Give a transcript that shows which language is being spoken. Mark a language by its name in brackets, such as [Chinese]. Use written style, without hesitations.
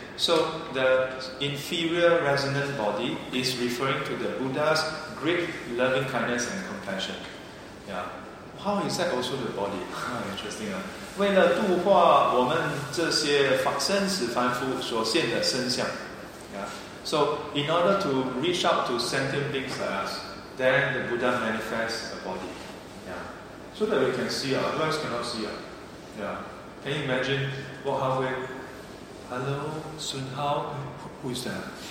[English] So the inferior resonant body is referring to the Buddha's great loving kindness and compassion. Yeah. How is that also the body? Interesting. [Chinese] 为了度化我们这些法身死凡夫所现的身相. [English] Yeah. So in order to reach out to sentient beings like us, then the Buddha manifests a body. So that we can see, otherwise cannot see. Yeah. Can you imagine, walk halfway, hello, Sun Hao, who is that?